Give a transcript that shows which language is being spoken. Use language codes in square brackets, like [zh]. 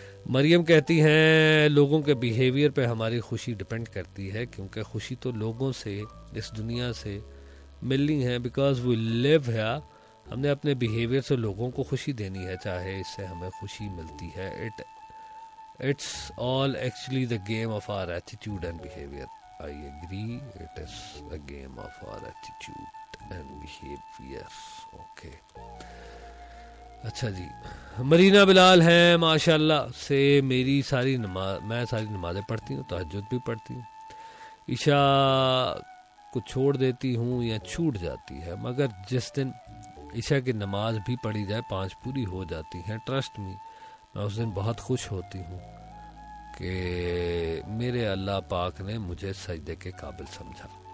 [hi] मरियम कहती हैं लोगों के बिहेवियर पे हमारी खुशी डिपेंड करती है, क्योंकि खुशी तो लोगों से इस दुनिया से मिलनी है, [en] because we live here, [hi] हमने अपने बिहेवियर से लोगों को खुशी देनी है, चाहे इससे हमें खुशी मिलती है, [en] It's all actually the game of our attitude and behaviour. I agree, it is a game of our attitude and behavior. Okay. [hi] अच्छा जी, मरीना बिलाल हैं माशाल्लाह से, मेरी सारी नमाज, मैं सारी नमाजें पढ़ती हूँ, तहज्जुद भी पढ़ती हूँ, ईशा को छोड़ देती हूँ या छूट जाती है, मगर जिस दिन ईशा की नमाज भी पढ़ी जाए 5 पूरी हो जाती हैं, ट्रस्ट मी, मैं उस दिन बहुत खुश होती हूँ कि मेरे अल्लाह पाक ने मुझे सजदे के काबिल समझा।